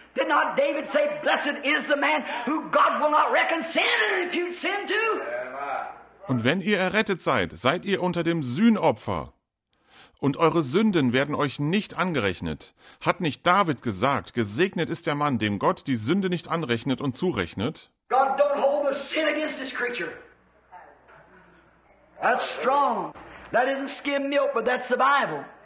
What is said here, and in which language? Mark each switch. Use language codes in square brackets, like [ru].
[en] Did not David say, blessed is the man who God will not reckon sin and impute sin to? [de] Und wenn ihr errettet seid, seid ihr unter dem Sühnopfer. Und eure Sünden werden euch nicht angerechnet. Hat nicht David gesagt, gesegnet ist der Mann, dem Gott die Sünde nicht anrechnet und zurechnet? [en] God don't hold a sin against this creature. That's strong. That isn't skim milk, but that's the Bible.